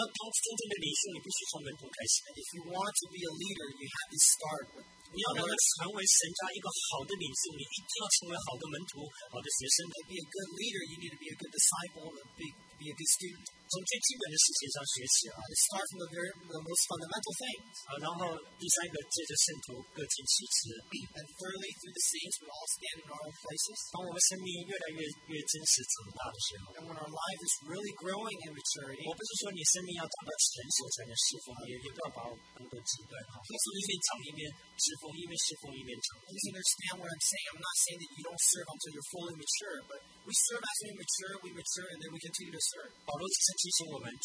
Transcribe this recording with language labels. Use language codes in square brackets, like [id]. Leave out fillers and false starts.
[zh] 要从真正的领袖，你必须从门徒开始。 [en] And if you want to be a leader, you have to start with. [zh] 你要成为神家一个好的领袖，你一定要成为好的门徒、好的学生。 [en] To be a good leader, you need to be a good disciple and be a good student. [zh] 从最基本的事情上学习啊。 [en] Start from the most fundamental thing. [zh] 然后第三个，借着圣徒各尽其职。 [en] And thirdly, through the saints, we all stand in our own places. [zh] 当我们生命越来越真实长大的时候。 [en] And when our life is really growing in maturity. [zh] 我不是说你生命要长到成熟才能侍奉，也不要把我们都折断。一边长一边侍奉，一边侍奉一边长。 [en] Please understand what I'm saying. I'm not saying that you don't serve until you're fully mature, but we serve as we mature, and then we continue to serve.